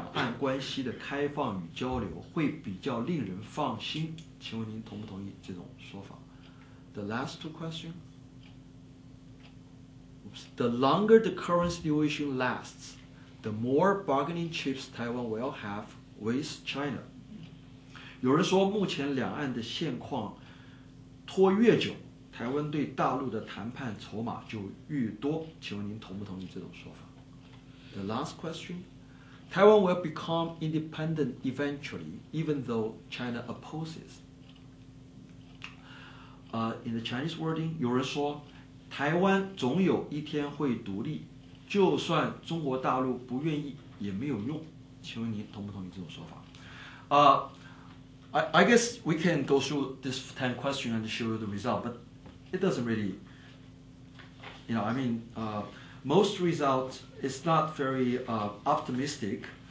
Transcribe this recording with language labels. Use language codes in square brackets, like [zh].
[zh] 有人说,如果由民进党推动两岸关系的开放与交流, 会比较令人放心, 请问您同不同意这种说法? [en] The last two questions. The longer the current situation lasts, the more bargaining chips Taiwan will have with China. [zh] 有人说,目前两岸的现况拖越久, 台湾对大陆的谈判筹码就越多, 请问您同不同意这种说法? [en] The last question, Taiwan will become independent eventually, even though China opposes. In the Chinese wording, [zh] 有人说，台湾总有一天会独立，就算中国大陆不愿意也没有用。请问您同不同意这种说法？ [en] I guess we can go through this 10 question and show you the result, but it doesn't really, you know, I mean, most results is not very optimistic.